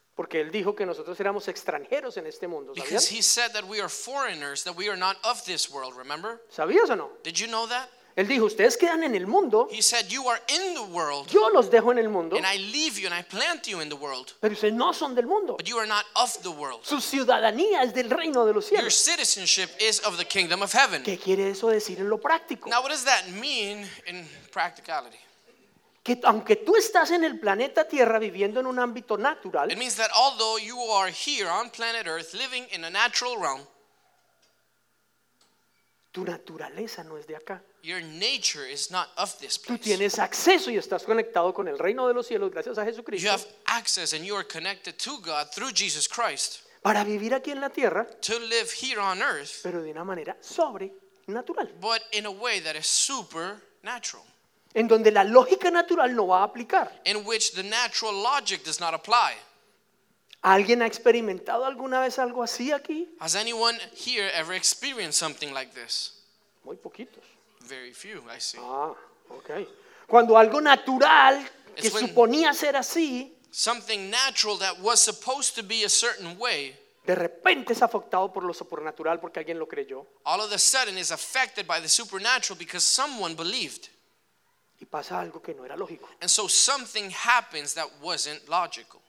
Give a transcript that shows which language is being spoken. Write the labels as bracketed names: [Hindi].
[Spanish] porque él dijo que nosotros éramos extranjeros en este mundo, ¿sabías? [English] Because he said that we are foreigners, that we are not of this world, remember? [Spanish] ¿Sabías o no? [English] Did you know that? [Spanish] Él dijo, ustedes quedan en el mundo. [English] He said, you are in the world. [Spanish] Yo los dejo en el mundo. [English] And I leave you and I plant you in the world. [Spanish] Pero ustedes no son del mundo. [English] But you are not of the world. [Spanish] Su ciudadanía es del reino de los cielos. [English] Your citizenship is of the kingdom of heaven. [Spanish] ¿Qué quiere eso decir en lo práctico? [English] Now what does that mean in practicality? [Spanish] Que aunque tú estás en el planeta Tierra viviendo en un ámbito natural, [English] it means that although you are here on planet Earth living in a natural realm, [Spanish] Tu naturaleza no es de acá. [English] Your nature is not of this place. [Spanish] Tú tienes acceso y estás conectado con el reino de los cielos gracias a Jesucristo. [English] You have access and you are connected to God through Jesus Christ. [Spanish] Para vivir aquí en la tierra. [English] To live here on earth. [Spanish] Pero de una manera sobrenatural. [English] But in a way that is supernatural. [Spanish] En donde la lógica natural no va a aplicar. [English] In which the natural logic does not apply. [Spanish] ¿Alguien ha experimentado alguna vez algo así aquí? [English] Has anyone here ever experienced something like this? [Spanish] Muy poquitos. [English] Very few, I see. Ah, okay. [Spanish] Cuando algo natural que suponía ser así, [English] something natural that was supposed to be a certain way, [Spanish] de repente es afectado por lo sobrenatural porque alguien lo creyó. [English] All of a sudden is affected by the supernatural because someone believed. [Spanish] Y pasa algo que no era lógico. [English] And so something happens that wasn't logical.